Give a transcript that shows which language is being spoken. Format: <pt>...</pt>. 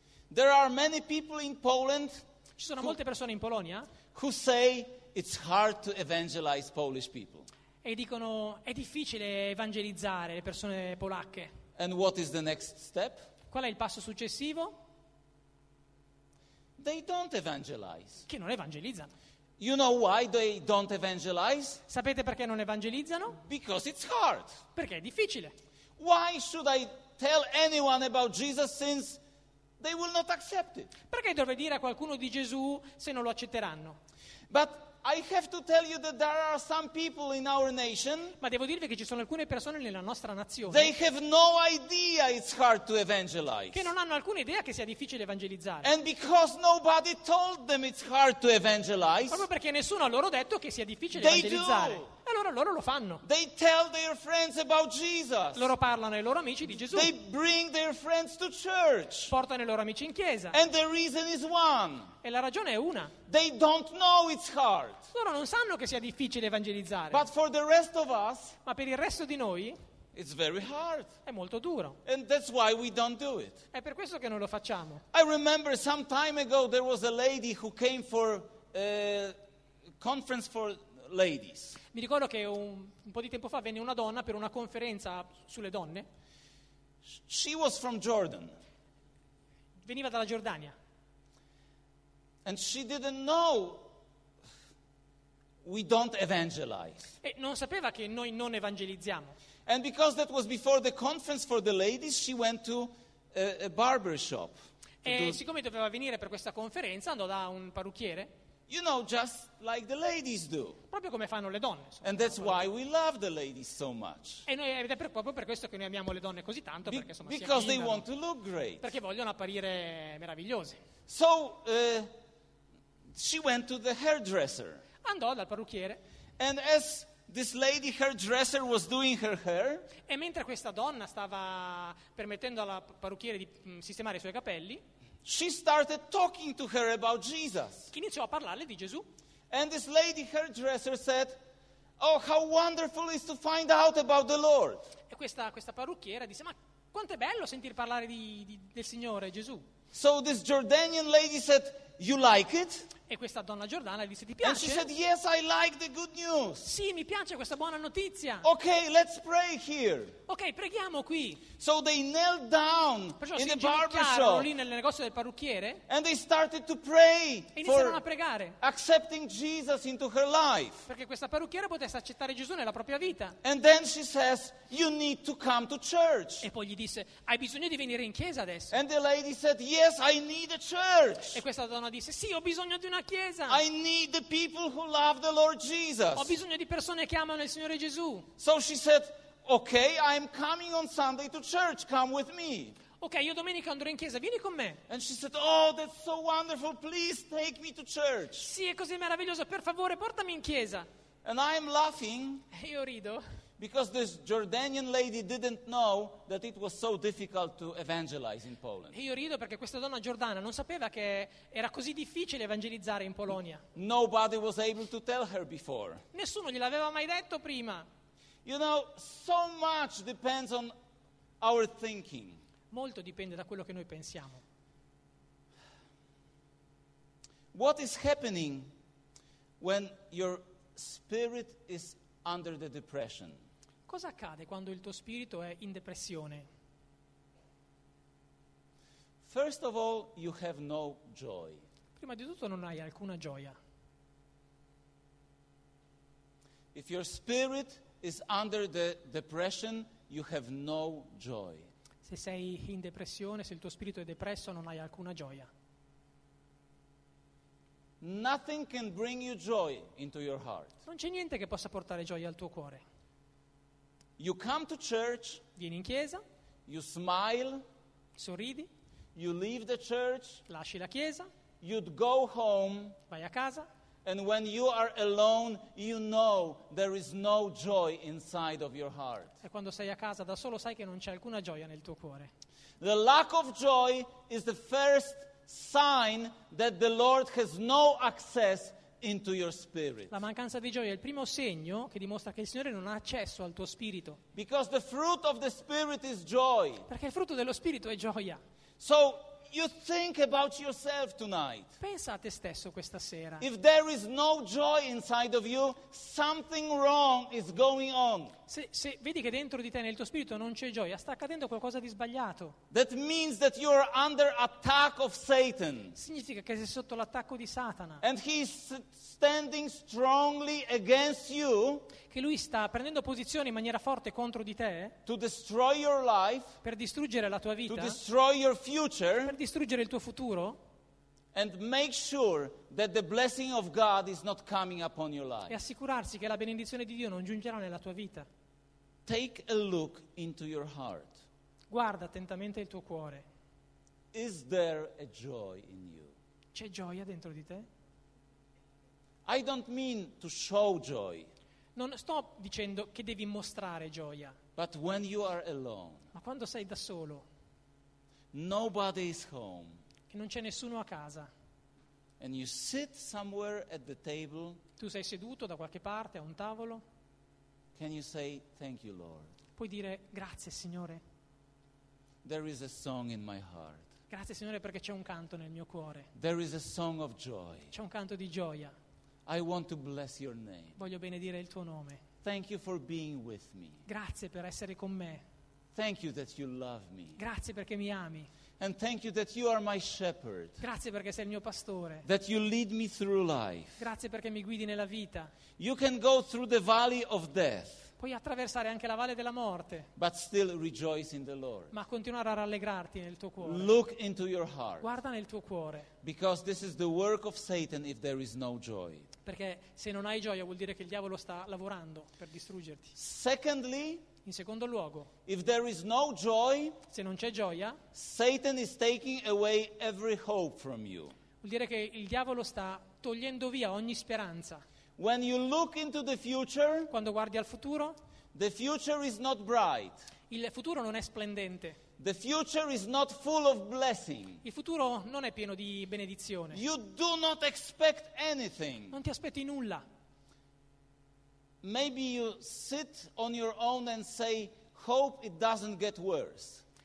<en>There are many people in Poland.</en> <it>Ci sono molte persone in Polonia</it> <en>who say it's hard to evangelize Polish people.</en> <it>E dicono: è difficile evangelizzare le persone polacche.</it> <en>And what is the next step?</en> <it>Qual è il passo successivo?</it> <en>They don't evangelize.</en> <it>Che non evangelizzano.</it> <en>You know why they don't evangelize?</en> <it>Sapete perché non evangelizzano?</it> <en>Because it's hard.</en> <it>Perché è difficile.</it> <en>Why should I tell anyone about Jesus since they will not accept it?</en> <it>Perché dovrei dire a qualcuno di Gesù se non lo accetteranno?</it> <en>But I have to tell you that there are some people in our nation.</en> <it>Ma devo dirvi che ci sono alcune persone nella nostra nazione.</it> <en>They have no idea it's hard to evangelize.</en> <it>Che non hanno alcuna idea che sia difficile evangelizzare.</it> <en>And because nobody told them it's hard to evangelize.</en> <it>Proprio perché nessuno a loro ha detto che sia difficile evangelizzare.</it> <en>They do.</en> <it>Allora loro lo fanno.</it> <en>They tell their friends about Jesus.</en> <it>Loro parlano ai loro amici di Gesù.</it> <en>They bring their friends to church.</en> <it>Portano i loro amici in chiesa.</it> <en>And the reason is one.</en> <it>E la ragione è una.</it> <en>They don't know it's hard.</en> <it>Loro non sanno che sia difficile evangelizzare.</it> <en>But for the rest of us,</en> <it>ma per il resto di noi,</it> <en>it's very hard.</en> <it>È molto duro.</it> <en>And that's why we don't do it.</en> <it>È per questo che non lo facciamo.</it> <en>I remember some time ago there was a lady who came for a conference for ladies.</en> <it>Mi ricordo che un po' di tempo fa venne una donna per una conferenza sulle donne.</it> <en>She was from Jordan.</en> <it>Veniva dalla Giordania.</it> <en>And she didn't know we don't evangelize.</en> <it>E non sapeva che noi non evangelizziamo.</it> <en>And because that was before the conference for the ladies, she went to a barber shop.</en> <it>E siccome doveva venire per questa conferenza, andò da un parrucchiere.</it> <en>You know, just like the ladies do.</en> <it>Proprio come fanno le donne.</it> <en>And that's why we love the ladies so much.</en> <it>E noi è proprio per questo che noi amiamo le donne così tanto, perché insomma,</it> <en>because they want to look great.</en> <it>Perché vogliono apparire meravigliose.</it> <en>So she went to the hairdresser.</en> <it>Andò dal parrucchiere.</it> <en>And as this lady hairdresser was doing her hair.</en> <it>E mentre questa donna stava permettendo alla parrucchiere di sistemare i suoi capelli.</it> <en>She started talking to her about Jesus.</en> <it>Iniziò a parlarle di Gesù.</it> <en>And this lady hairdresser said, "Oh, how wonderful is to find out about the Lord."</en> <it>E questa parrucchiera disse: "Ma quanto è bello sentir parlare del Signore Gesù."</it> <en>So this Jordanian lady said, "You like it?"</en> <it>E questa donna giordana disse: "Ti piace?"</it> <en>And she said, "Yes, I like the good news."</en> <it>Sì, mi piace questa buona notizia.</it> <en>Okay, let's pray here.</en> <it>Okay, preghiamo qui.</it> <en>So they knelt down in the barber shop.</en> <it>Lì nel negozio del parrucchiere.</it> <en>And they started to pray.</en> <it>E iniziarono a pregare.</it> <en>Accepting Jesus into her life.</en> <it>Perché questa parrucchiera potesse accettare Gesù nella propria vita.</it> <en>And then she says, "You need to come to church."</en> <it>E poi gli disse: "Hai bisogno di venire in chiesa adesso."</it> <en>And the lady said, "Yes, I need a church."</en> <it>E questa donna disse: "Sì, ho bisogno di una chiesa."</it> <en>I need the people who love the Lord Jesus.</en> <it>Ho bisogno di persone che amano il Signore Gesù.</it> <en>So she said, "Okay, I'm coming on Sunday to church. Come with me."</en> <it>Okay, io domenica andrò in chiesa. Vieni con me.</it> <en>And she said, "Oh, that's so wonderful. Please take me to church."</en> <it>Sì, è così meraviglioso. Per favore, portami in chiesa.</it> <en>And I'm laughing.</en> <it>E io rido.</it> <en>Because this Jordanian lady didn't know that it was so difficult to evangelize in Poland.</en> <it>E io rido perché questa donna giordana non sapeva che era così difficile evangelizzare in Polonia.</it> <en>Nobody was able to tell her before.</en> <it>Nessuno gliel'aveva mai detto prima.</it> <en>You know, so much depends on our thinking.</en> <it>Molto dipende da quello che noi pensiamo.</it> <en>What is happening when your spirit is under the depression?</en> <it>Cosa accade quando il tuo spirito è in depressione?</it> <en>First of all, you have no joy.</en> <it>Prima di tutto non hai alcuna gioia.</it> <en>If your spirit is under the depression, you have no joy.</en> <it>Se sei in depressione, se il tuo spirito è depresso, non hai alcuna gioia.</it> <en>Nothing can bring you joy into your heart.</en> <it>Non c'è niente che possa portare gioia al tuo cuore.</it> <en>You come to church.</en> <it>Vieni in chiesa.</it> <en>You smile.</en> <it>Sorridi.</it> <en>You leave the church.</en> <it>Lasci la chiesa.</it> <en>You'd go home.</en> <it>Vai a casa.</it> <en>And when you are alone, you know there is no joy inside of your heart.</en> <it>E quando sei a casa da solo sai che non c'è alcuna gioia nel tuo cuore.</it> <en>The lack of joy is the first sign that the Lord has no access into your spirit.</en> <it>La mancanza di gioia è il primo segno che dimostra che il Signore non ha accesso al tuo spirito.</it> <en>Because the fruit of the spirit is joy.</en> <it>Perché il frutto dello spirito è gioia.</it> <en>So you think about yourself tonight.</en> <it>Pensa a te stesso questa sera.</it> <en>If there is no joy inside of you, something wrong is going on.</en> <it>Se vedi che dentro di te, nel tuo spirito, non c'è gioia, sta accadendo qualcosa di sbagliato.</it> <en>That means that you are under attack of Satan.</en> <it>Significa che sei sotto l'attacco di Satana.</it> <en>And he is standing strongly against you.</en> <it>Che lui sta prendendo posizione in maniera forte contro di te.</it> <en>To destroy your life.</en> <it>Per distruggere la tua vita.</it> <en>To destroy your future.</en> <it>Per distruggere il tuo futuro.</it> <en>And make sure that the blessing of God is not coming upon your life.</en> <it>E assicurarsi che la benedizione di Dio non giungerà nella tua vita.</it> <en>Take a look into your heart.</en> <it>Guarda attentamente il tuo cuore.</it> <en>Is there a joy in you?</en> <it>C'è gioia dentro di te?</it> <en>I don't mean to show joy.</en> <it>Non sto dicendo che devi mostrare gioia.</it> <en>But when you are alone.</en> <it>Ma quando sei da solo.</it> <en>Nobody is home.</en> <it>Che non c'è nessuno a casa.</it> <en>And you sit somewhere at the table.</en> <it>Tu sei seduto da qualche parte a un tavolo.</it> <en>Can you say thank you, Lord?</en> <it>Puoi dire grazie, Signore.</it> <en>There is a song in my heart.</en> <it>Grazie, Signore, perché c'è un canto nel mio cuore.</it> <en>There is a song of joy.</en> <it>C'è un canto di gioia.</it> <en>I want to bless your name.</en> <it>Voglio benedire il tuo nome.</it> <en>Thank you for being with me.</en> <it>Grazie per essere con me.</it> <en>Thank you that you love me.</en> <it>Grazie perché mi ami.</it> <en>And thank you that you are my shepherd.</en> <it>Grazie perché sei il mio pastore.</it> <en>That you lead me through life.</en> <it>Grazie perché mi guidi nella vita.</it> <en>You can go through the valley of death.</en> <it>Puoi attraversare anche la valle della morte.</it> <en>But still rejoice in the Lord.</en> <it>Ma continuare a rallegrarti nel tuo cuore.</it> <en>Look into your heart.</en> <it>Guarda nel tuo cuore.</it> <en>Because this is the work of Satan if there is no joy.</en> <it>Perché se non hai gioia vuol dire che il diavolo sta lavorando per distruggerti.</it> <en>Secondly,</en> <it>in secondo luogo,</it> <en>if there is no joy,</en> <it>se non c'è gioia,</it> <en>Satan is taking away every hope from you.</en> <it>Vuol dire che il diavolo sta togliendo via ogni speranza.</it> <en>When you look into the future,</en> <it>quando guardi al futuro,</it> <en>the future is not bright.</en> <it>Il futuro non è splendente.</it> <en>The future is not full of blessing.</en> <it>Il futuro non è pieno di benedizione.</it> <en>You do not expect anything.</en> <it>Non ti aspetti nulla.</it> <en>Maybe you sit on your own and say, hope it doesn't get worse.</en>